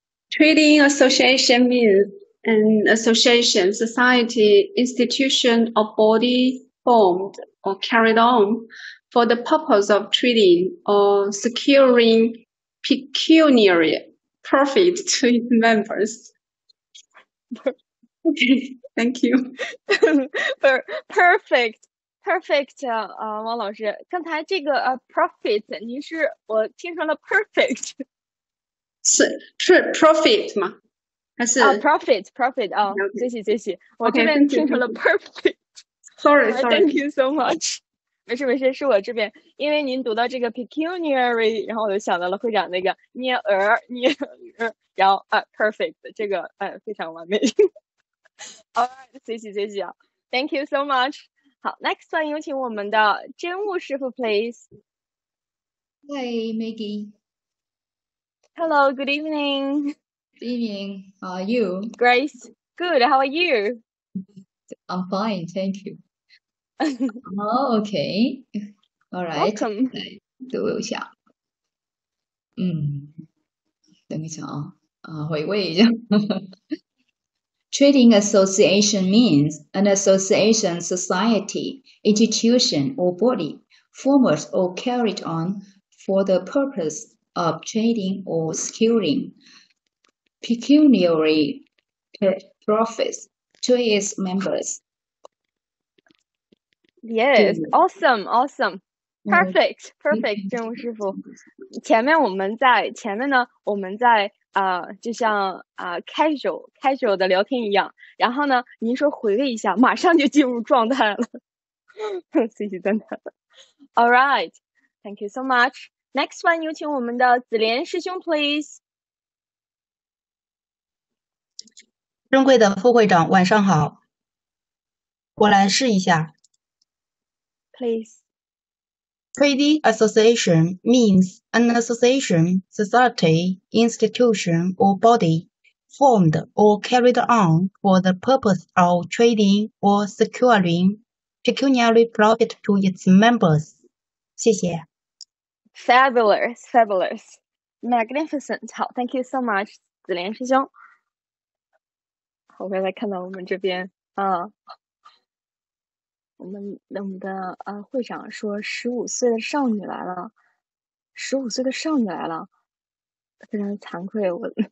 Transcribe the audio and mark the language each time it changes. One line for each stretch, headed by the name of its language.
English: Trading association means an association, society, institution, or body formed or carried on for the purpose of trading or securing pecuniary profit to its members. Okay, thank you. Perfect，perfect，
Chinese: 王老师，刚才这个profit，您是我听成了 perfect，是 profit 吗？还是 profit，profit 啊，谢谢谢谢，我这边听成了 perfect，
English: thank you so much，
Chinese: 没事没事，是我这边，因为您读到这个 pecuniary，然后我就想到了会长那个捏儿，然后perfect 这个非常完美。
English: All right，
Chinese: 谢谢谢谢啊，
English: Thank you so much。
Chinese: 好，
English: next one，
Chinese: 有请我们的真务师傅，
English: please。 Hi, Maggie. Hello, good evening. Evening, how are you? Grace, good. How are you? I'm fine, thank you. Welcome. Oh, okay. All right.
Chinese: 读一下。等一下回味一下。
English: Trading association means an association, society, institution, or body formed or carried on for the purpose of trading or securing pecuniary profits to its members. Yes, awesome, awesome. Perfect, perfect, 郑师傅。
Chinese: 前面我们在前面呢，我们在就像casual 的聊天一样。然后呢，您说回味一下，马上就进入状态了。谢谢赞叹。
English: All right, thank you so much. Next one,
Chinese: 有请我们的子莲师兄 ，
English: please。
Chinese: 尊贵的副会长，晚上好。我来试一下。
English: Please. Trading association means an association, society, institution, or body formed or carried on for the purpose of trading or securing pecuniary profit to its members.
Chinese: 谢谢。
English: Fabulous, fabulous. Magnificent. 好 ,thank you so much, 子莲师兄。
Chinese: 我刚才看到我们这边我们的会长说15岁的少女来了，15岁的少女来了，非常惭愧我。